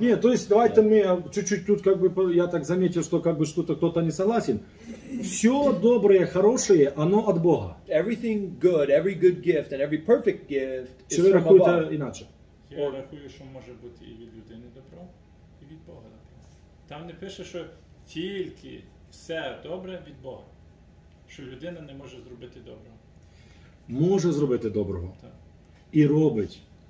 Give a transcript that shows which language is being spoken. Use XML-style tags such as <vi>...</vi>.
<ru>Нет, то есть давайте мы чуть-чуть тут как бы, я так заметил, что как бы что-то кто-то не согласен. Все доброе, хорошее, оно от Бога.</ru> <en>Everything good, every good gift and every perfect gift is from above.</en> <ru>Чего рахуете иначе?</ru> <uk>Я рахую, що може бути і від людини добро, і від Бога добро. Там не пише, що тільки все добре від Бога. Що людина не може зробити доброго. Може зробити доброго. І робить.</uk>